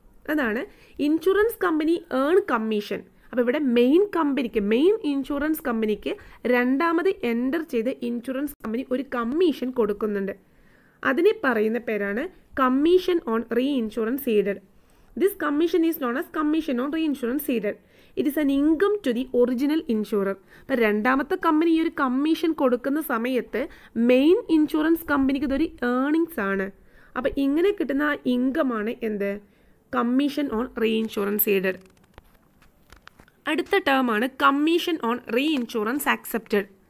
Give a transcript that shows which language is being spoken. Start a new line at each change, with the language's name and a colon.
Malayalam: അതാണ് insurance company earn commission. അപ്പോൾ ഇവിടെ മെയിൻ കമ്പനിക്ക്, മെയിൻ ഇൻഷുറൻസ് കമ്പനിക്ക് രണ്ടാമത് എൻറ്റർ ചെയ്ത ഇൻഷുറൻസ് കമ്പനി ഒരു കമ്മീഷൻ കൊടുക്കുന്നുണ്ട്. അതിനെ പറയുന്ന പേരാണ് commission on reinsurance seeded.
English: This commission is known as commission on reinsurance ceded. It is an income to the original insurer.
Malayalam: അപ്പോൾ രണ്ടാമത്തെ കമ്പനി ഈ ഒരു കമ്മീഷൻ കൊടുക്കുന്ന സമയത്ത് മെയിൻ ഇൻഷുറൻസ് കമ്പനിക്ക് ഇതൊരു ഏണിങ്സ് ആണ്. അപ്പോൾ ഇങ്ങനെ കിട്ടുന്ന ആ ഇൻകമാണ് എന്ത്? Commission on reinsurance seeded. അടുത്ത ടേമാണ് കമ്മീഷൻ ഓൺ റീഇൻഷുറൻസ് അക്സെപ്റ്റഡ്.